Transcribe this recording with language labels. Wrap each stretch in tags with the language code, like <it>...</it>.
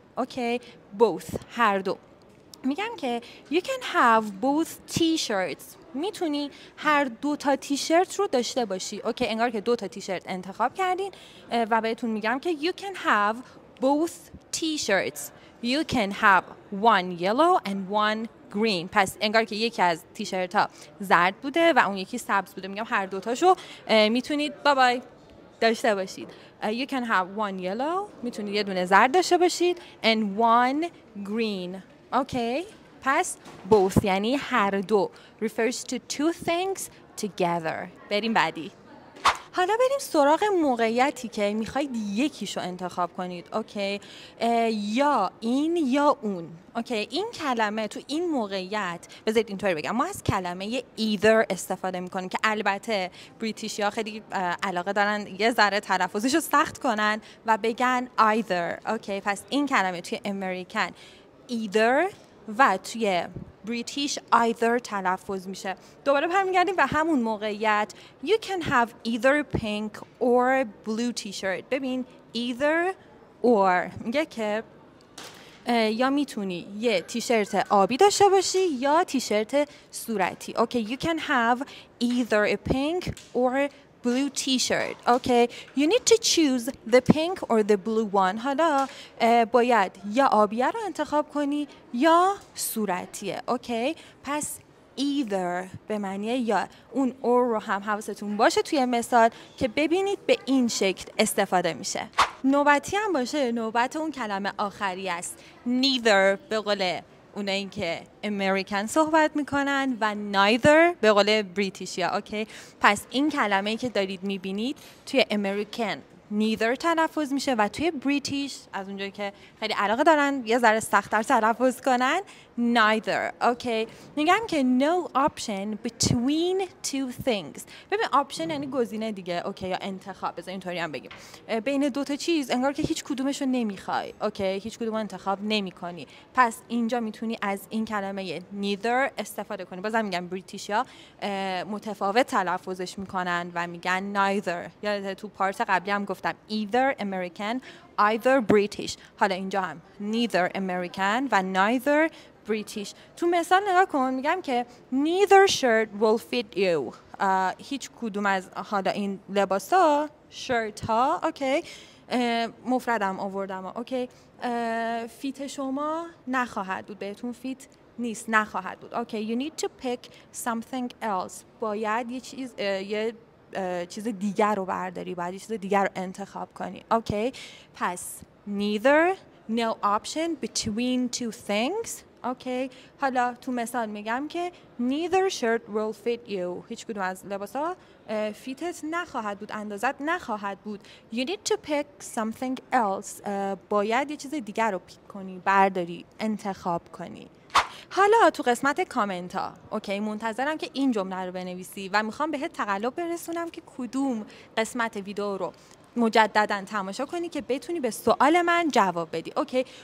<fa>اوکی، both، هر دو. میگم که</fa> <en>you can have both t-shirts،</en> <fa>میتونی هر دو تا تیشرت رو داشته باشی. اوکی، انگار که دو تا تیشرت انتخاب کردین و بهتون میگم که</fa> <en>you can have both t-shirts. You can have one yellow and one green.</en> <fa>پس انگار که یکی از تیشرت ها زرد بوده و اون یکی سبز بوده. میگم هر دوتاشو میتونید بابای داشته باشید.</fa> <en>You can have one yellow.</en> <fa>میتونید یه دونه زرد داشته باشید.</fa> <en>And one green. Okay.</en> <fa>پس both یعنی هر دو.</fa> <en>Refers to two things together.</en> <fa>بریم بعدی. حالا بریم سراغ موقعیتی که میخواید یکیشو انتخاب کنید. اوکی، یا این یا اون. اوکی، این کلمه تو این موقعیت، بذارید اینطوری بگم، ما از کلمه either استفاده میکنیم که البته بریتیشیا خیلی علاقه دارن یه ذره تلفظش رو سخت کنن و بگن either. اوکی، پس این کلمه توی امریکن either و توی بریتیش either تلفظ میشه. دوباره برمیگردیم به همون موقعیت.</fa> <en>You can have either pink or blue t-shirt.</en> <fa>ببین either or میگه که یا میتونی یه تیشرت آبی داشته باشی یا تیشرت صورتی.</fa> <en>Okay, you can have either a pink or blue t-shirt. Okay, you need to choose the pink or the blue one.</en> <fa>حالا باید یا آبی رو انتخاب کنی یا صورتیه. Okay, پس either به معنی یا اون or رو هم حواستون باشه توی مثال که ببینید به این شکل استفاده میشه. نوبتی هم باشه، نوبت اون کلمه آخری است. Neither به قول اونایی که امریکن صحبت میکنن و neither به قول بریتیشیا. اوکی، پس این کلمه‌ای که دارید میبینید توی امریکن neither تلفظ میشه و توی بریتیش از اونجایی که خیلی علاقه دارن یه ذره سخت‌تر تلفظ کنن neither. اوکی، میگم که</fa> <en>no option between two things.</en> <fa>ببین option یعنی گزینه دیگه. اوکی، یا انتخاب، بذار اینطوری هم بگیم، بین دو تا چیز انگار که هیچ کدومشو نمیخوای. اوکی، هیچ کدومو انتخاب نمیکنی. پس اینجا میتونی از این کلمه neither استفاده کنی. بازم میگم بریتیش یا متفاوت تلفظش میکنن و میگن neither. یادت تو پارت قبلی هم گفتم either American either British، حالا اینجا هم neither American و neither British. تو مثال نگاه کن، میگم که</fa> <en>neither shirt will fit you.</en> <fa>هیچ کدوم از حالا این لباسا، شرت ها، اوکی، مفردم آوردم، اوکی، فیت شما نخواهد بود، بهتون فیت نیست، نخواهد بود.</fa> <en>Okay, you need to pick something else.</en> <fa>باید یه چیز چیز دیگر رو برداری، باید یه چیز دیگر رو انتخاب کنی. اوکی، پس neither</fa> <en>no option between two things. Okay.</en> <fa>حالا تو مثال میگم که</fa> <en>neither shirt will fit you.</en> <fa>هیچ کدوم از لباسا fitت نخواهد بود. اندازت نخواهد بود.</fa> <en>You need to pick something else.</en> <fa>باید یه چیز دیگر رو پیک کنی. برداری. انتخاب کنی. حالا تو قسمت کامنت ها. اوکی. منتظرم که این جمله رو بنویسی و میخوام بهت تقلب برسونم که کدوم قسمت ویدیو رو مجدداً تماشا کنی که بتونی به سوال من جواب بدی. اوکی.</fa>